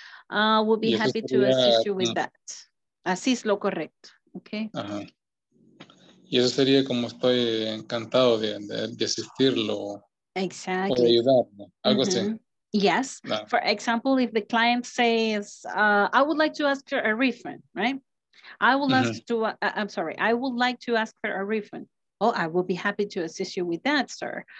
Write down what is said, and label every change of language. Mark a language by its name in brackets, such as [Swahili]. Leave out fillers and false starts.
[English] I would be happy to assist you with that. [Spanish] Así es lo correcto, ¿ok? Ajá. Y eso sería como estoy encantado de asistirlo. [English] Exactly. [Spanish] O de ayudarlo, algo así. [English] Yes. No. For example, if the client says, I would like to ask for a refund, right? I will ask to, I'm sorry, I would like to ask for a refund. Oh, I will be happy to assist you with that, sir.